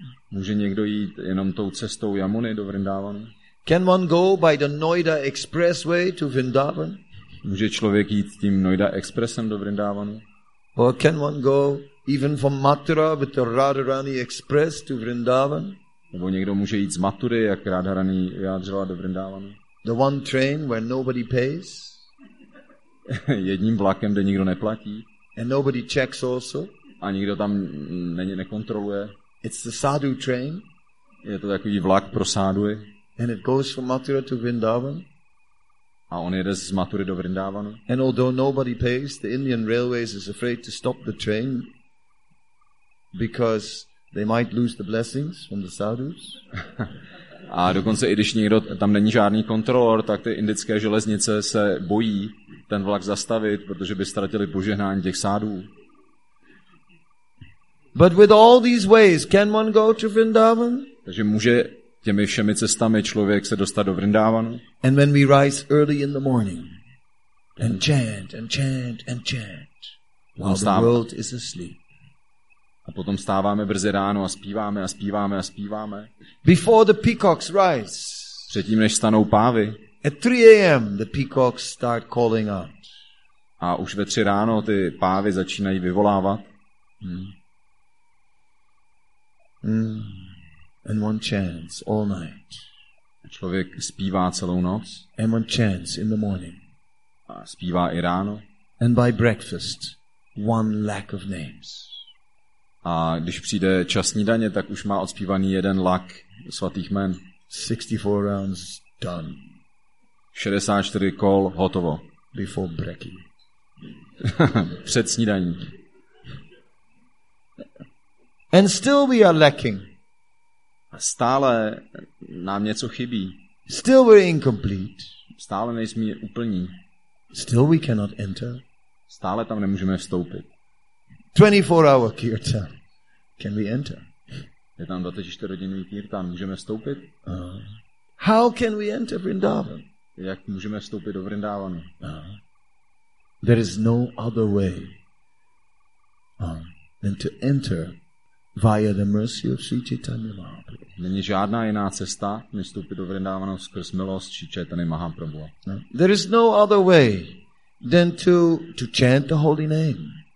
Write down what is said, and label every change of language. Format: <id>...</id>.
<cs>Může někdo jít jenom tou cestou Yamuny do Vrindavanu?</cs> <en>Can one go by the Noida expressway to Vrindavan?</en> <cs>Může člověk jít tím Noida expressem do Vrindavanu?</cs> <en>Or can one go even from Mathura with the Radharani express to Vrindavan?</en> <cs>Nebo někdo může jít z Mathury, jak Radharani vyjádřila, do Vrindavanu?</cs> <en>The one train where nobody pays?</en> <cs>Jedním vlakem, kde nikdo neplatí.</cs> <en>And nobody checks also?</en> <cs>A nikdo tam není nekontroluje.</cs> <en>It's the sadhu train?</en> <cs>Je to takový vlak pro sáduje.</cs> <en>And it goes from Mathura to Vrindavan?</en> <cs>A on jede z Mathury do Vrindavanu.</cs> <en>And although nobody pays, the Indian Railways is afraid to stop the train because they might lose the blessings from the sadhus.</en> <cs>A dokonce i když někdo, tam není žádný kontrolor, tak ty indické železnice se bojí ten vlak zastavit, protože by ztratili požehnání těch sádů.</cs> <en>But with all these ways, can one go to Vrindavan?</en> <cs>Takže může těmi všemi cestami člověk se dostat do Vrindavanu.</cs> <en>And when we rise early in the morning and chant and chant and chant while the world is asleep.</en> <cs>A potom stáváme brzy ráno a zpíváme a zpíváme a zpíváme.</cs> <en>Before the peacocks rise.</en> <cs>Předtím, než stanou pávy.</cs> <en>At 3 a.m. the peacocks start calling out.</en> <cs>A už ve 3 ráno ty pávy začínají vyvolávat.</cs> <en>And one chants all night.</en> <cs>Člověk zpívá celou noc.</cs> <en>And one chants in the morning.</en> <cs>A zpívá i ráno.</cs> <en>And by breakfast, one lack of names.</en> <cs>A když přijde čas snídaně, tak už má odspívaný jeden lak svatých jmen.</cs> <en>64 rounds done.</en> <cs>64 kol hotovo.</cs> <en>Before breaky.</en> <cs>Před snídaní.</cs> <en>And still we are lacking.</en> <cs>A stále nám něco chybí.</cs> <en>Still we're incomplete.</en> <cs>Stále nejsme úplní.</cs> <en>Still we cannot enter.</en> <cs>Stále tam nemůžeme vstoupit.</cs> <en>24-hour kirtan. Can we enter?</en> <cs>Je tam 24-hodinový kirtan. Můžeme vstoupit?</cs> <en>How can we enter Vrindavan?</en> <cs>Jak můžeme vstoupit do Vrindavanu?</cs> <en>There is no other way than to enter via the mercy of Sri Chaitanya Mahaprabhu.</en> <cs>Není žádná jiná cesta, než vstoupit do Vrindavanu skrz milost Sri Chaitanya Mahaprabhu.</cs> <en>There is no other way than to chant the holy name.</en>